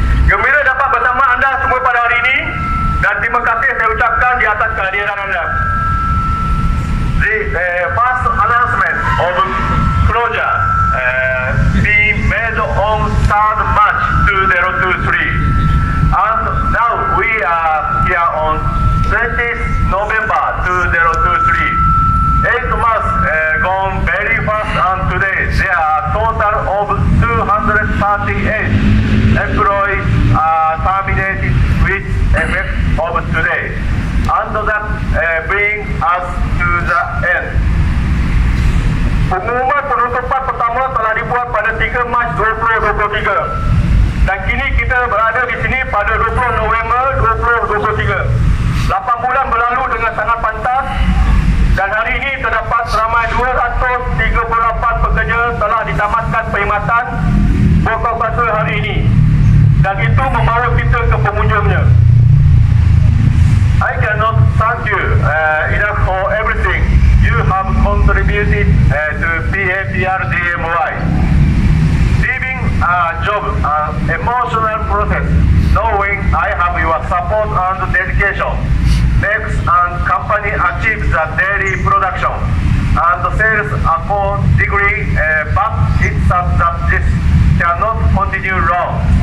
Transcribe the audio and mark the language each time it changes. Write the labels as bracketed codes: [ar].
[ms] Gembira dapat bersama anda semua pada hari ini dan terima kasih saya ucapkan di atas kehadiran anda. [en] The first announcement of closure be made on 3rd March 2023. And now we are here on 20th November 2023. 8 months gone very fast, and today there are total of 238 employees terminated with effect of today. And that bring us to the end. [ms] Pengumuman penutupan pertama telah dibuat pada 3 Mac 2023. Dan kini kita berada di sini pada 20 November 2023. 8 bulan berlalu dengan sangat pantas. Dan hari ini terdapat ramai 238 pekerja telah ditamatkan perkhidmatan pokok batu hari ini. Dan itu membawa kita ke penghujungnya. [en] I cannot thank you enough for everything you have contributed to PAPRGMY. Leaving a job, an emotional process, knowing I have your support and dedication, makes our company achieve the daily production and sales accord degree, but it's such that this cannot continue long.